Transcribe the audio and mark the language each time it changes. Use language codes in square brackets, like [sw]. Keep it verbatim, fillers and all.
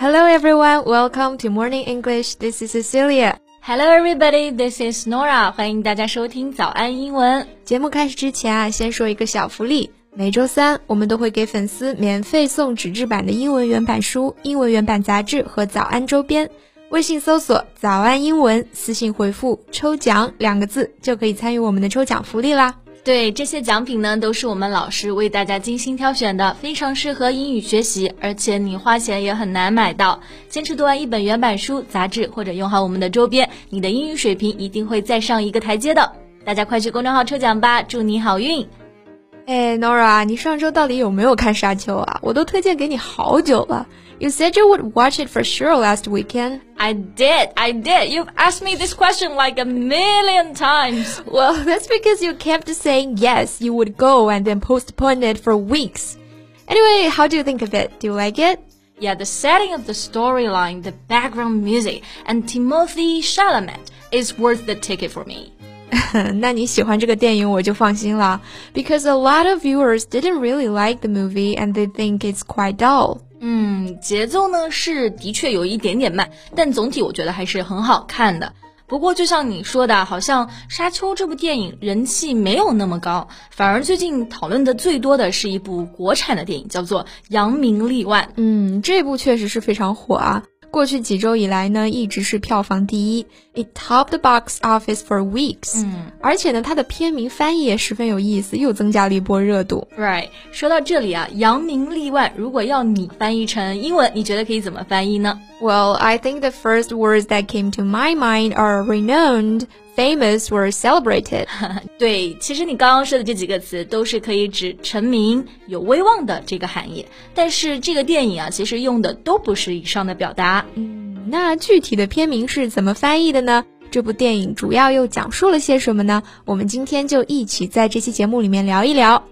[en] everyone, welcome to Morning English. This is Cecilia. Hello, everybody. This is Nora. [zh] 欢迎大家收听早安英文节目。开始之前啊，先说一个小福利。每周三，我们都会给粉丝免费送纸质版的英文原版书、英文原版杂志和早安周边。微信搜索“早安英文”，私信回复“抽奖”两个字，就可以参与我们的抽奖福利啦。对，这些奖品呢，都是我们老师为大家精心挑选的，非常适合英语学习，而且你花钱也很难买到。坚持读完一本原版书、杂志，或者用好我们的周边，你的英语水平一定会再上一个台阶的。大家快去公众号抽奖吧，祝你好运！哎 Nora， 你上周到底有没有看沙丘啊？我都推荐给你好久了。 [en] You said you would watch it for sure last weekend. I did, I did. You've asked me this question like a million times. Well, that's because you kept saying yes, you would go and then postpone it for weeks. Anyway, how do you think of it? Do you like it? Yeah, the setting of the storyline, the background music, and Timothée Chalamet is worth the ticket for me. [zh] 那你喜欢这个电影我就放心了 [en] because a lot of viewers didn't really like the movie and they think it's quite dull. [zh] 嗯，节奏呢是的确有一点点慢，但总体我觉得还是很好看的。不过就像你说的，好像《沙丘》这部电影人气没有那么高，反而最近讨论的最多的是一部国产的电影，叫做《扬名立万》。嗯，这部确实是非常火啊。过去几周以来呢，一直是票房第一 [en] It topped the box office for weeks、嗯、 [zh] 而且呢，它的片名翻译也十分有意思，又增加了一波热度。 Right， 说到这里啊，扬名立万如果要你翻译成英文，你觉得可以怎么翻译呢？ [en] Well, I think the first words that came to my mind are renowned, famous or celebrated. [zh] 对，其实你刚刚说的这几个词都是可以指成名、有威望的这个含义，但是这个电影啊，其实用的都不是以上的表达。嗯，那具体的片名是怎么翻译的呢？这部电影主要又讲述了些什么呢？我们今天就一起在这期节目里面聊一聊。